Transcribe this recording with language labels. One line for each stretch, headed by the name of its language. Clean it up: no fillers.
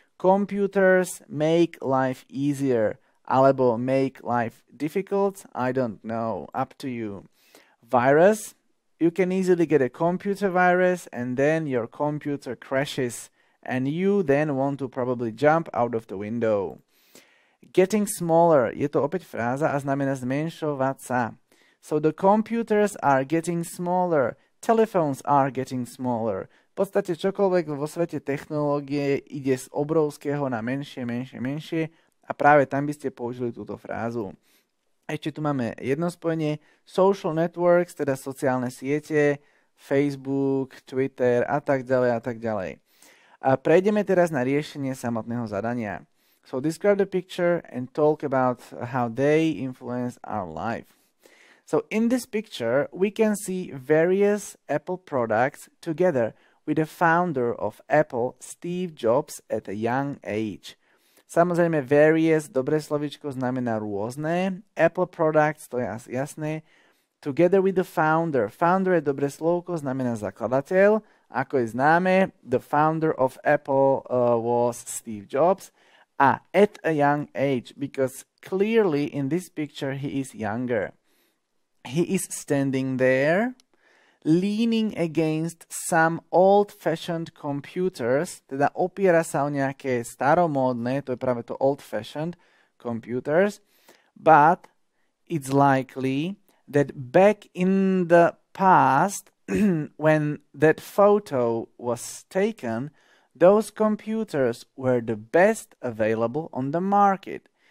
English: Computers make life easier,
Slovak: alebo
English: make life difficult, I don't know, up to you. Virus, you can easily get a computer virus and then your computer crashes and you then want to probably jump out of the window. Getting smaller,
Slovak: je to opäť fráza a znamená zmenšovať sa.
English: So the computers are getting smaller. Telephones are getting smaller.
Slovak: V podstate čokoľvek vo svete technológie ide z obrovského na menšie, menšie, menšie a práve tam by ste použili túto frázu. Ešte tu máme jedno spojenie.
English: Social networks,
Slovak: teda sociálne siete, Facebook, Twitter a tak ďalej a tak ďalej. A prejdeme teraz na riešenie samotného zadania.
English: So describe the picture and talk about how they influence our life. So in this picture, we can see various Apple products together with the founder of Apple, Steve Jobs, at a young age.
Slovak: Samozrejme, various, dobré slovičko, znamená rôzne.
English: Apple products,
Slovak: to je asi jasné.
English: Together with the founder.
Slovak: Founder je dobré slovko, znamená zakladateľ. Ako je známe,
English: the founder of Apple was Steve Jobs. A at a young age, because clearly in this picture he is younger. He is standing there, leaning against some old-fashioned computers,
Slovak: teda opiera sa o nejaké staromódne, to je práve to
English: old-fashioned computers, but it's likely that back in the past, when that photo was taken, those computers were the best available on the market.